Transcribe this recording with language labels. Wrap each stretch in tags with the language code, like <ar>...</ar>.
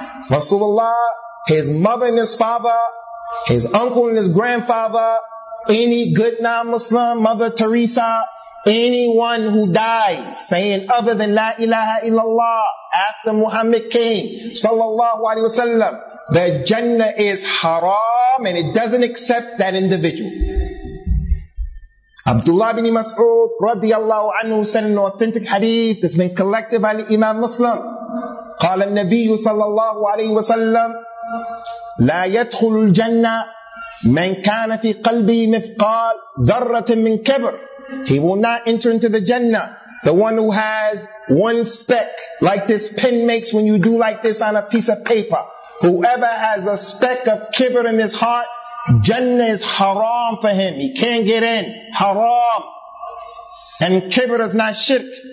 <en>Rasulullah, his mother and his father, his uncle and his grandfather, any good non-Muslim, Mother Teresa, anyone who died saying other than La ilaha illallah after Muhammad came, sallallahu alayhi wasallam, the Jannah is haram and it doesn't accept that individual. Abdullah ibn Mas'ud radiallahu anhu said an authentic hadith that's been collected by the Imam Muslim.</en> <ar>قال النبي صلى الله عليه وسلم لا يدخل الجنة من كان في قلبه مثقال ذرة من كبر.</ar> <en>He will not enter into the Jannah, the one who has one speck, like this pen makes when you do like this on a piece of paper. Whoever has a speck of kibr in his heart, Jannah is haram for him. He can't get in. Haram. And kibr is not shirk.</en>